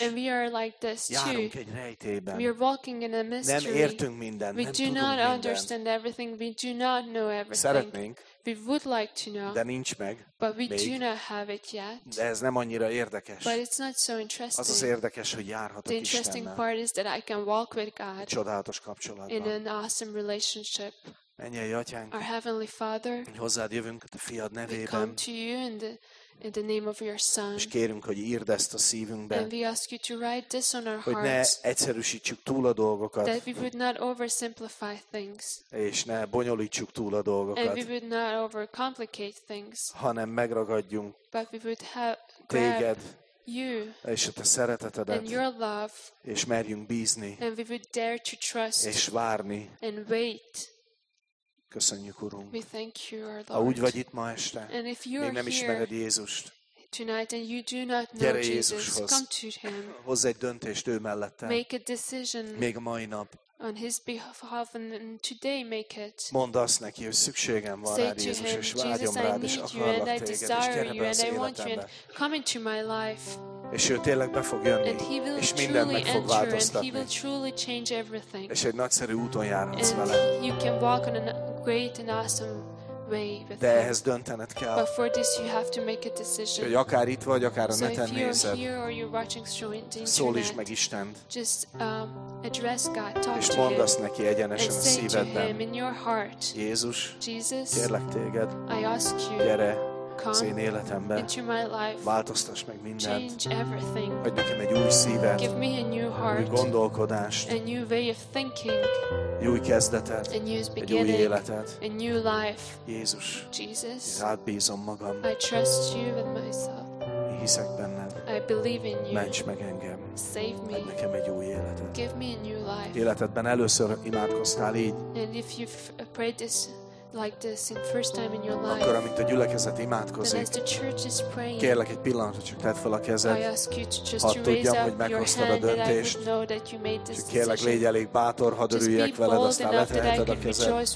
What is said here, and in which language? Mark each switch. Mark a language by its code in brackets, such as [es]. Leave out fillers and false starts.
[en] And we are like this too. [hu] Járunk egy rejtélyben. [en] We are walking in a mystery. [hu] Nem értünk minden. [en] We do not understand everything. We do not know everything. [hu] Szeretnénk. [en] We would like to know. [hu] De nincs meg. [en] But we [hu] még. [en] Do not have it yet. [hu] De ez nem annyira érdekes. [en] But it's not so interesting. [hu] Az az érdekes, hogy járhatok Istennel. [en] The interesting part is that I can walk with God. [hu] Csodálatos kapcsolatban. [en] In an awesome relationship. [hu] Mennyei Atyánk. [en] Our Heavenly Father. [hu] Hozzád jövünk a te fiad nevében. [en] We come to you in the name of your son. [hu] És kérünk, hogy írd ezt a szívünkbe. [en] And we ask you to write this on our hearts. [hu] Ne egyszerűsítsük túl a dolgokat. [en] That we would not oversimplify things. [hu] És ne bonyolítsuk túl a dolgokat. [en] And we would not overcomplicate things. [hu] Hanem megragadjunk. [en] But we would have [hu] téged. [en] You. [hu] És a te szeretetedet. [en] And your love. [hu] És merjünk bízni. [en] And we would dare to trust. [hu] És várni. [en] And wait. [hu] Köszönjük, Urunk. [en] We thank you, our Lord. [hu] Ha úgy vagy itt ma este, [en] and if you are [hu] még nem ismered Jézust, [en] tonight, and you do not know [hu] gyere Jézushoz. [en] Come to him. [hu] Hozz egy döntést ő mellette. [en] Make a decision. [hu] Még a mai nap. [en] On his behalf and today make it. [hu] Mondd azt neki, hogy szükségem van [en] say [hu] rád, Jézus, [en] him, [hu] és vágyom [en] Jesus, [hu] rád, és akarlak [en] and [hu] téged, és gyere be az életembe. [en] Come into my life. [hu] És ő tényleg be fog jönni, [en] and he will [hu] és mindent meg fog változtatni. [en] He will truly change everything. [hu] És egy nagyszerű úton járhatsz vele. [en] You can walk on a great and awesome way. [hu] De ehhez döntened kell. [en] But for this you have to make a decision. [hu] Hogy akár itt vagy, akár a [en] so [hu] neten nézed. [en] Here or you're watching through the internet, [hu] szólíts meg Istent. [en] Just address God, talk [hu] és [en] to [hu] mondd azt [en] him, [hu] neki egyenesen a szívedben. [en] Him, in your heart, [hu] Jézus, [en] Jesus, [hu] kérlek téged, [en] I ask you, [hu] gyere az én életembe, változtass meg mindent, adj nekem egy új szívet, [en] give me a new heart, [hu] új gondolkodást, [en] a new way of thinking, [hu] egy új kezdetet, [en] a new [hu] egy új életet, [en] a new life. [hu] Jézus, [en] Jesus, [hu] rád bízom magam, [en] I trust you with myself. [hu] Én hiszek benned, [en] I believe in you. [hu] Ments meg engem, [en] save me. [hu] Adj nekem egy új életet. [en] Give me a new life. [hu] Életedben először imádkoztál így, [en] and if you've prayed this like this in first time in your life. [hu] Akkor, amint a gyülekezet imádkozik, [en] praying, [hu] kérlek egy pillanatra, csak tedd fel a kezed, ha tudjam, hogy meghoztad a döntést, csak kérlek, légy elég bátor, hadd örüljek veled, aztán leteheted a kezed.